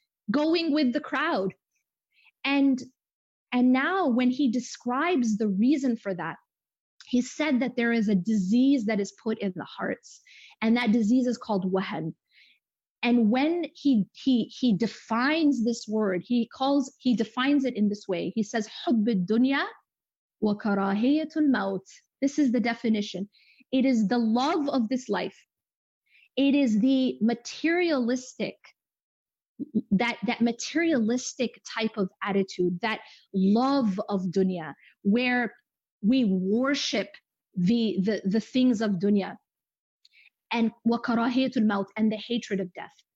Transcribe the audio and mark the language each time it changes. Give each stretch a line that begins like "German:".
English: Going with the crowd. And now when he describes the reason for that, he said that there is a disease that is put in the hearts. And that disease is called wahan. And when he defines this word, he defines it in this way. He says,
Arabic: حُبِّ الدُّنْيَا وَكَرَاهِيَةُ الْمَوْتِ.
English: This is the definition. It is the love of this life. It is the materialistic, that materialistic type of attitude, that love of dunya, where we worship the things of dunya, and
Arabic: وَكَرَاهِيَةُ الْمَوْتِ,
English: and the hatred of death.